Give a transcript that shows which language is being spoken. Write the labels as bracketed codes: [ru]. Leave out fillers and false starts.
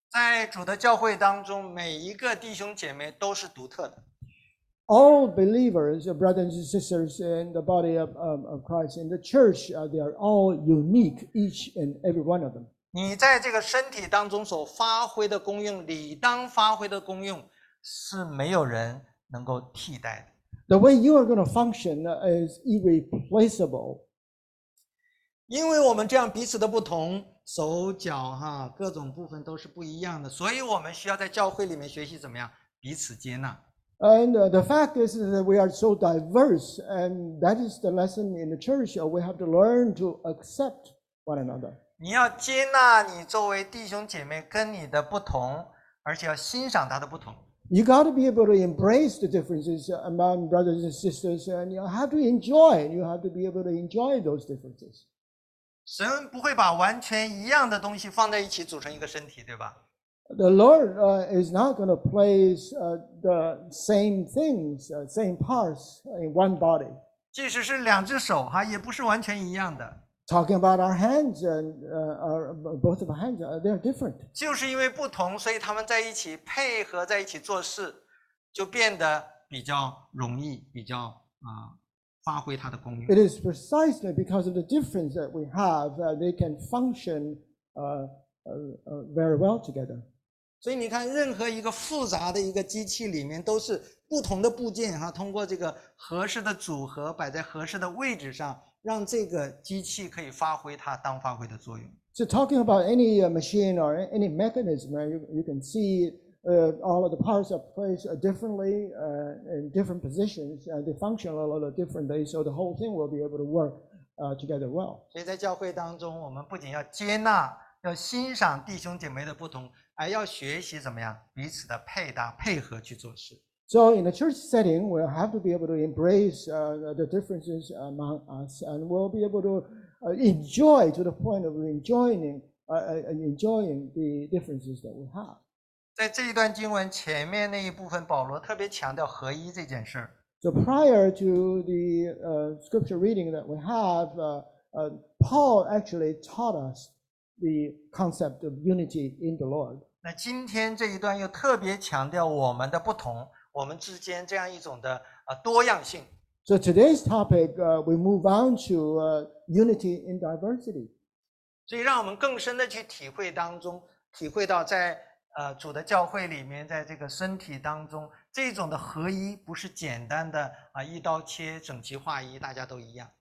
[zh] 在主的教会当中，每一个弟兄姐妹都是独特的。 [en] All believers, brothers and sisters in the body of Christ in the church, they are all unique, each and every one of them. [zh] 你在这个身体当中所发挥的功用，理当发挥的功用，是没有人能够替代的。 [en] The way you are going to function is irreplaceable. [zh] 因为我们这样彼此的不同，手脚哈各种部分都是不一样的，所以我们需要在教会里面学习怎么样彼此接纳。 [en] And the fact is that we are so diverse, and that is the lesson in the church. We have to learn to accept one another. [zh] 你要接纳你作为弟兄姐妹跟你的不同，而且要欣赏他的不同。 [en] You got to be able to embrace the differences among brothers and sisters, and you have to enjoy. You have to be able to enjoy those differences. [zh] 神不会把完全一样的东西放在一起组成一个身体，对吧 [en] ？The Lord is not going to place the same things, same parts in one body. [zh] 即使是两只手哈，也不是完全一样的。 [en] Talking about our hands and our both of our hands, they are different. [zh] 就是因为不同，所以他们在一起配合，在一起做事，就变得比较容易，比较发挥它的功用。 [en] It is precisely because of the difference that we have that they can function very well together. [zh] 所以你看，任何一个复杂的一个机器里面，都是不同的部件哈，通过这个合适的组合，摆在合适的位置上。让这个机器可以发挥它当发挥的作用。 [en] So talking about any machine or any mechanism, you can see all of the parts are placed differently in different positions, and they function a little differently, so the whole thing will be able to work together well. [zh] 所以在教会当中，我们不仅要接纳，要欣赏弟兄姐妹的不同，还要学习怎么样彼此的配搭配合去做事。 [en] So in a church setting, we'll have to be able to embrace the differences among us, and we'll be able to enjoy to the point of enjoying the differences that we have. [zh] 在这一段经文前面那一部分，保罗特别强调合一这件事。 [en] So prior to the scripture reading that we have, Paul actually taught us the concept of unity in the Lord. [zh] 那今天这一段又特别强调我们的不同，我们之间这样一种的多样性。 [en] So today's topic, we move on to unity in diversity. [zh] 所以让我们更深的去体会当中，体会到在主的教会里面，在这个身体当中，这种的合一不是简单的一刀切、整齐划一，大家都一样。